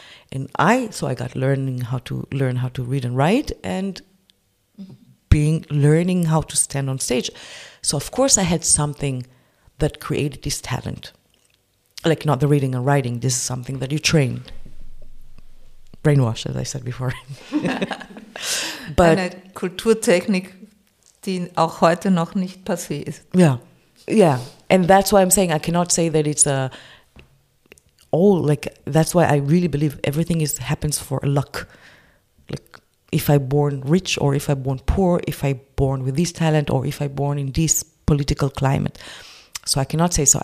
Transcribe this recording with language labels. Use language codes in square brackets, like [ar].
[en] And I got learning how to read and write, and being learning how to stand on stage. So of course I had something that created this talent, like not the reading and writing. This is something that you train, brainwash, as I said before. [de] But eine Kulturtechnik, die auch heute noch nicht passé ist. [en] Yeah, yeah, and that's why I'm saying I cannot say that it's a. All like that's why I really believe everything is happens for luck. Like if I born rich or if I born poor, if I born with this talent or if I born in this political climate. So I cannot say so.